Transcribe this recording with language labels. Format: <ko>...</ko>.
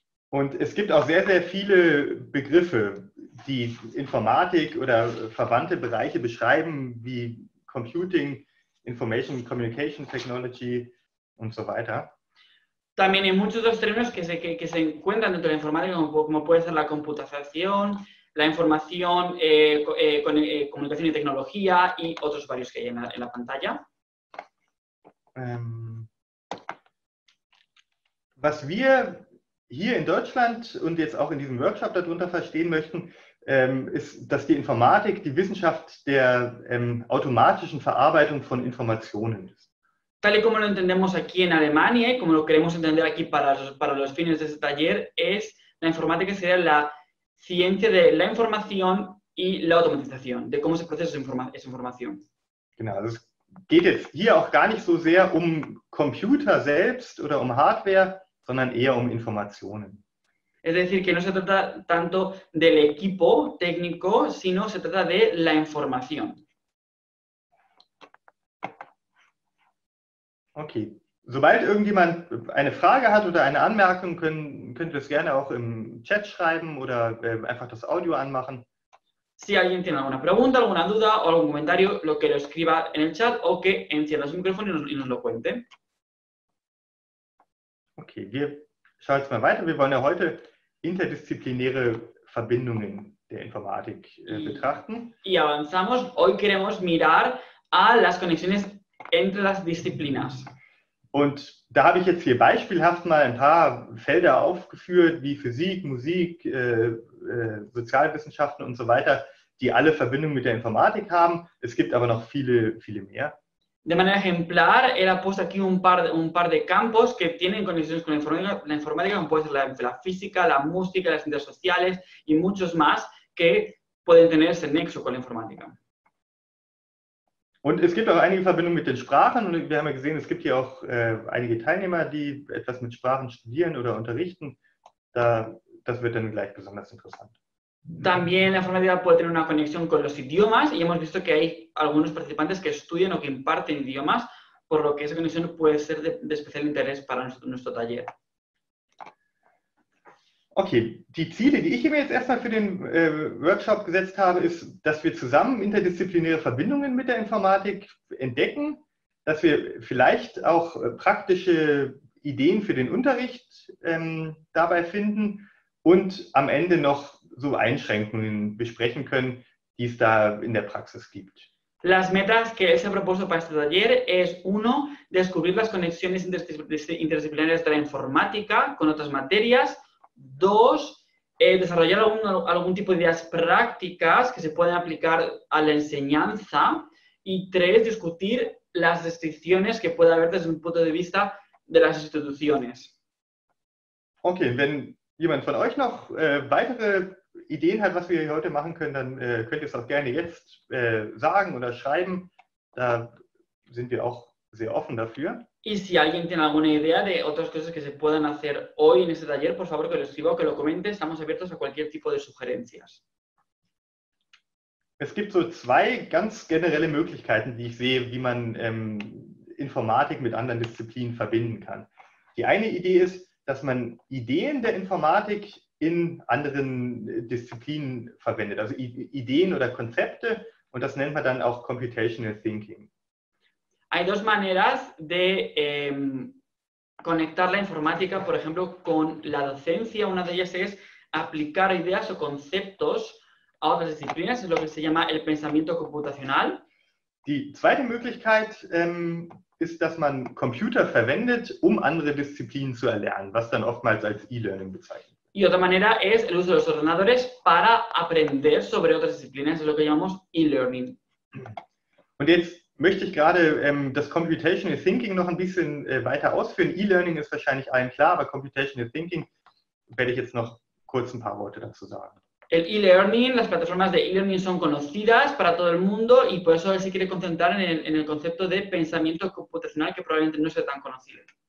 <de>Und es gibt auch sehr, sehr viele Begriffe, die Informatik oder verwandte Bereiche beschreiben, wie Computing, Information Communication Technology und so weiter.</de> <es>También hay muchos otros términos que se encuentran dentro de la informática, como puede ser la computación, la información, comunicación y tecnología y otros varios que hay en la pantalla.</es> <de>Was wir hier in Deutschland und jetzt auch in diesem Workshop darunter verstehen möchten, ist, dass die Informatik die Wissenschaft der automatischen Verarbeitung von Informationen ist.</de> <es>Tal y como lo entendemos aquí en Alemania, como lo queremos entender aquí para los fines de este taller, es la informática sería la ciencia de la información y la automatización, de cómo se procesa esa información.</es> <de>Genau, es geht jetzt hier auch gar nicht so sehr um Computer selbst oder um Hardware, sondern eher um Informationen.</de> <es>Es decir, que no se trata tanto del equipo técnico, sino se trata de la información. Okay.</es> <de>Sobald irgendjemand eine Frage hat oder eine Anmerkung, könnt ihr es gerne auch im Chat schreiben oder einfach das Audio anmachen.</de> <es>Si alguien tiene alguna pregunta, alguna duda o algún comentario, lo que lo escriba en el chat o que encienda su micrófono y nos lo cuente.</es> <de>Okay, wir schauen jetzt mal weiter. Wir wollen ja heute interdisziplinäre Verbindungen der Informatik betrachten.</de> <es>Y avanzamos. Hoy queremos mirar a las conexiones entre las disciplinas.</es> <de>Und da habe ich jetzt hier beispielhaft mal ein paar Felder aufgeführt, wie Physik, Musik, Sozialwissenschaften und so weiter, die alle Verbindungen mit der Informatik haben. Es gibt aber noch viele, viele mehr.</de> <es>De manera ejemplar, él ha puesto aquí un par de campos que tienen conexiones con la informática, como puede ser la física, la música, las ciencias sociales y muchos más que pueden tener ese nexo con la informática.</es> <de>Und es gibt auch einige Verbindungen mit den Sprachen und wir haben ja gesehen, es gibt hier auch einige Teilnehmer, die etwas mit Sprachen studieren oder unterrichten. das wird dann gleich besonders interessant.</de> <es>También la forma de vida puede tener una conexión con los idiomas y hemos visto que hay algunos participantes que estudian o que imparten idiomas, por lo que esa conexión puede ser de especial interés para nuestro taller.</es> <de>Okay, die Ziele, die ich mir jetzt erstmal für den Workshop gesetzt habe, ist, dass wir zusammen interdisziplinäre Verbindungen mit der Informatik entdecken, dass wir vielleicht auch praktische Ideen für den Unterricht dabei finden und am Ende noch so Einschränkungen besprechen können, die es da in der Praxis gibt.</de> <es>Las metas que él se ha propuesto para este taller es, uno, descubrir las conexiones interdisciplinares de la informática con otras materias. Dos, desarrollar algún tipo de ideas prácticas que se pueden aplicar a la enseñanza. Y tres, discutir las restricciones que puede haber desde un punto de vista de las instituciones.</es> <de>Ok, wenn jemand von euch noch weitere Ideen hat, was wir heute machen können, dann könnt ihr es auch gerne jetzt sagen oder schreiben. Da sind wir auch sehr offen dafür.</de> <es>Y si alguien tiene alguna idea de otras cosas que se puedan hacer hoy en este taller, por favor que lo escriba o que lo comente. Estamos abiertos a cualquier tipo de sugerencias.</es> <de>Es gibt so zwei ganz generelle Möglichkeiten, die ich sehe, wie man Informatik mit anderen Disziplinen verbinden kann. Die eine Idee ist, dass man Ideen der Informatik in anderen Disziplinen verwendet, also Ideen oder Konzepte, und das nennt man dann auch Computational Thinking.</de> <es>Hay dos maneras de conectar la informática, por ejemplo, con la docencia. Una de ellas es aplicar ideas o conceptos a otras disciplinas, es lo que se llama el pensamiento computacional.</es> <de>Die zweite Möglichkeit ist, dass man Computer verwendet, um andere Disziplinen zu erlernen, was dann oftmals als E-Learning bezeichnet wird.</de> <es>Y otra manera es el uso de los ordenadores para aprender sobre otras disciplinas, es lo que llamamos E-Learning.</es> <de>Und jetzt möchte ich gerade das Computational Thinking noch ein bisschen weiter ausführen. E-Learning ist wahrscheinlich allen klar, aber Computational Thinking werde ich jetzt noch kurz ein paar Worte dazu sagen.</de> <es>El E-Learning, las plataformas de E-Learning son conocidas para todo el mundo y por eso él se quiere concentrar en el concepto de pensamiento computacional, que probablemente no sea tan conocido.</es>